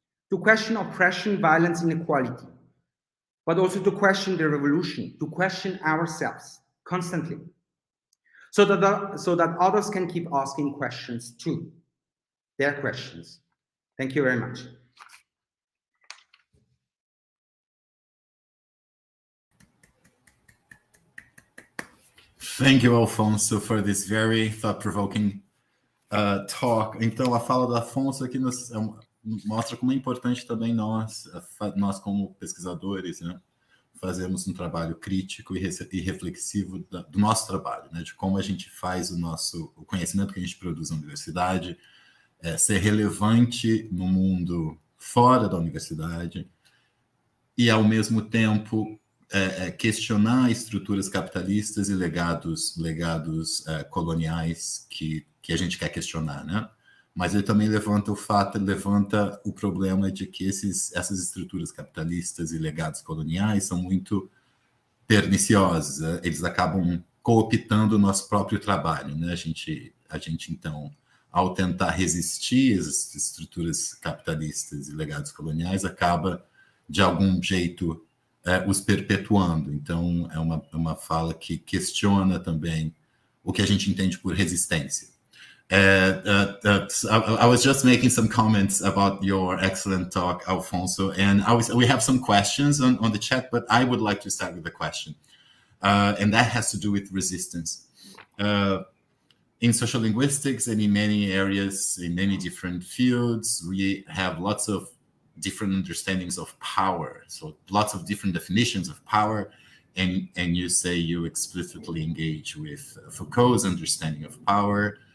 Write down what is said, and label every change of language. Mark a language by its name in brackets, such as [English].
[English] To question oppression, violence, inequality, but also to question the revolution, to question ourselves constantly, so that others can keep asking questions too, their questions. Thank you very much. Thank you, Alfonso, for this very thought-provoking talk. [Portuguese] Então, a fala do Afonso aqui nos mostra como é importante também nós como pesquisadores, né, fazermos um trabalho crítico e reflexivo do nosso trabalho, né, de como a gente faz o conhecimento que a gente produz na universidade ser relevante no mundo fora da universidade e, ao mesmo tempo, questionar estruturas capitalistas e legados coloniais que a gente quer questionar, né? Mas ele também levanta o problema de que essas estruturas capitalistas e legados coloniais são muito perniciosas, eles acabam cooptando o nosso próprio trabalho, né? A gente, então, ao tentar resistir às estruturas capitalistas e legados coloniais, acaba, de algum jeito, os perpetuando. Então, é uma fala que questiona também o que a gente entende por resistência. [English] I was just making some comments about your excellent talk, Alfonso, and we have some questions on the chat, but I would like to start with a question, and that has to do with resistance. In sociolinguistics and in many areas, in many different fields, we have lots of different understandings of power, so lots of different definitions of power, and you say you explicitly engage with Foucault's understanding of power.